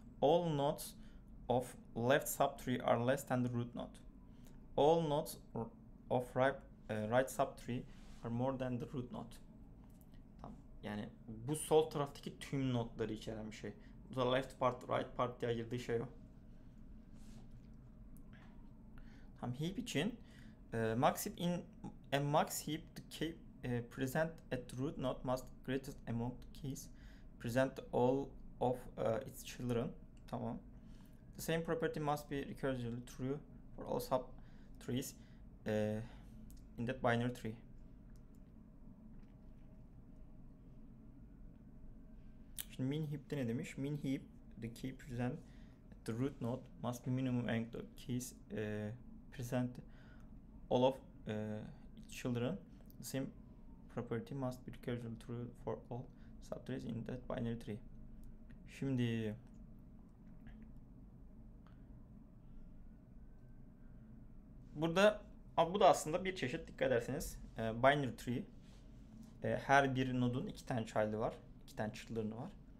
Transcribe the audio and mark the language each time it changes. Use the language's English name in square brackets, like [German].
[English] All nodes of left subtree are less than the root node. All nodes of right subtree are more than the root node. [Turkish] Tamam. Yani bu sol taraftaki tüm nodları içeren bir şey. Bu da left part, right part diye ayırdığı şey o. Tamam, heap için [English] max heap in a max heap the key present at the root node must greatest among the keys present all of its children. [Turkish] Tamam. [English] The same property must be recursively true for all sub trees in that binary tree. [Turkish] Şimdi min heap'te ne demiş? [English] Min heap, the key present the root node must be minimum length of keys present all of children. The same property must be recursively true for all subtrees in that binary tree. [Turkish] Şimdi burada, bu da aslında bir çeşit, dikkat ederseniz binary tree. Her bir nodun iki tane child'ı var, iki tane çıtırlarını var.